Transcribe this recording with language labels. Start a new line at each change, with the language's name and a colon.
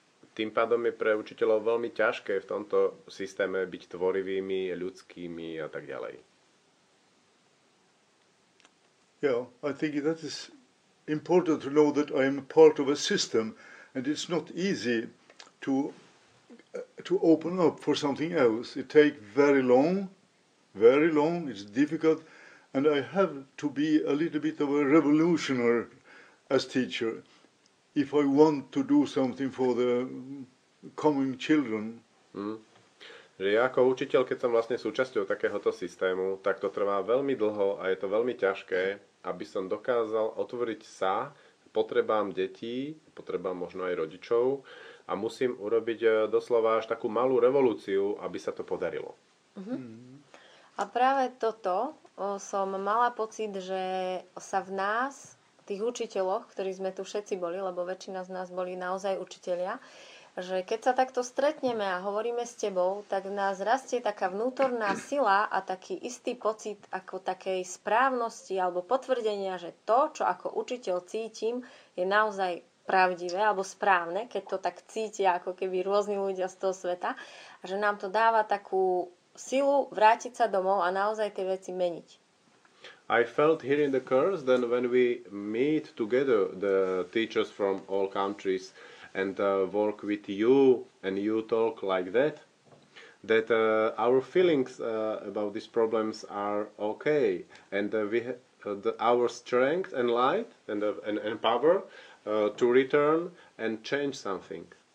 Slovak: Tým pádom je pre učiteľov veľmi ťažké v tomto systéme byť tvorivými, ľudskými a tak ďalej.
English: Yeah, I think that is important to know that I am part of a system, and it's not easy to open up for something else. It takes very long, very long. It's difficult, and I have to be a little bit of a revolutionary as teacher if I want to do something for the coming children.
Slovak: Že ja ako učiteľ, keď som vlastne súčasťou takéhoto systému, tak to trvá veľmi dlho a je to veľmi ťažké, aby som dokázal otvoriť sa potrebám detí, potrebám možno aj rodičov, a musím urobiť doslova až takú malú revolúciu, aby sa to podarilo. A práve toto som mala pocit, že sa v nás, tých učiteľoch, ktorí sme tu všetci boli, lebo väčšina z nás boli naozaj učitelia, že keď sa takto stretneme a hovoríme s tebou, tak v nás rastie taká vnútorná sila a taký istý pocit ako takej správnosti alebo potvrdenia, že to, čo ako učiteľ cítim, je naozaj pravdivé alebo správne, keď to tak cítia ako keby rôzni ľudia z toho sveta, a že nám to dáva takú silu vrátiť sa domov a naozaj tie veci meniť.
English: I felt here in the course then when we meet together the teachers from all countries and work with you and you talk like that, that our feelings about these problems are okay, and our strength and light and power to return and change something.